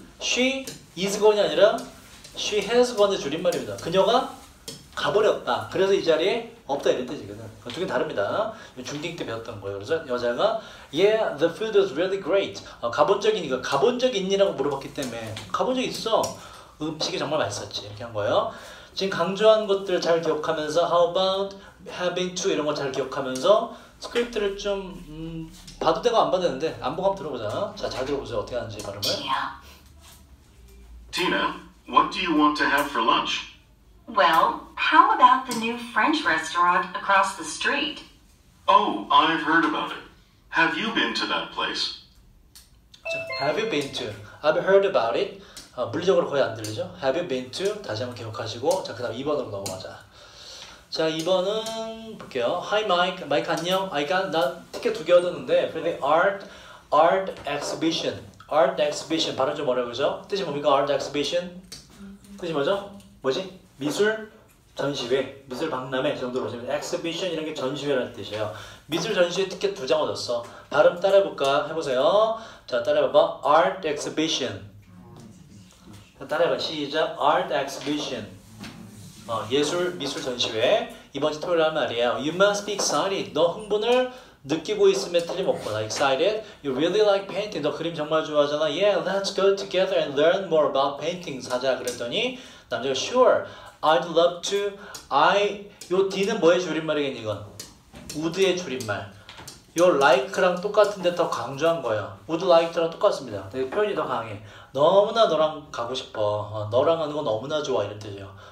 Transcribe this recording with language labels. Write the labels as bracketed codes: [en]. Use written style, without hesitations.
[en] She is gone [ko] 이 아니라 [en] She has gone [ko] 의 줄임말입니다 그녀가 가버렸다 그래서 이 자리에 없다 이런 뜻이거든 그건 좀 다릅니다 중딩 때 배웠던 거예요 그래서 여자가 [en] Yeah, the food was really great [ko] 가본 적 있니라고 물어봤기 때문에 가본 적 있어 음식이 정말 맛있었지 이렇게 한 거예요 지금 강조한 것들을 잘 기억하면서 [en] How about having to [ko] 이런 걸 잘 기억하면서 스크립트를 좀 봐도 되고 안 봐도 되는데 안 보고 한번 들어보자 자, 잘 들어보세요 어떻게 하는지 발음을 [en] Tina, what do you want to have for lunch? Well, how about the new French restaurant across the street? Oh, I've heard about it. Have you been to that place? Have you been to? I've heard about it. [ko] 물리적으로 거의 안 들리죠? [en] Have you been to? [ko] 다시 한번 기억하시고 자, 그 다음 2번으로 넘어가자. 자, 2번은 볼게요. [en] Hi, Mike. Mike, [ko] 안녕. [en] I got, [ko] 나 티켓 두 개 얻었는데 [en] for the art exhibition. Art exhibition. [ko] 발음 좀 어려워, 그죠? 뜻이 뭡니까? Art exhibition. 뜻이 뭐죠? 뭐지? 미술 전시회, 미술 박람회 정도로 보시면 exhibition 이런 게 전시회라는 뜻이에요. 미술 전시회 티켓 두 장 얻었어. 발음 따라해 볼까? 해보세요. 자, 따라해 봐봐. [en] Art exhibition. [ko] 따라해 봐. 시작. [en] Art exhibition. [ko] 예술 미술 전시회. 이번 주 토요일 날이에요. [en] You must be excited. [ko] 너 흥분을 느끼고 있으면 틀림없구나. [en] Excited. You really like painting. [ko] 너 그림 정말 좋아하잖아. [en] Yeah, let's go together and learn more about painting. [ko] 사자 그랬더니 남자가 [en] sure. I'd love to. [ko] I 요 D는 뭐의 줄임말이겠니 이건? Would의 줄임말. 요 like랑 똑같은데 더 강조한 거예요. Would like랑 똑같습니다. 근데 표현이 더 강해. 너무나 너랑 가고 싶어. 너랑 하는 거 너무나 좋아 이런 뜻이에요.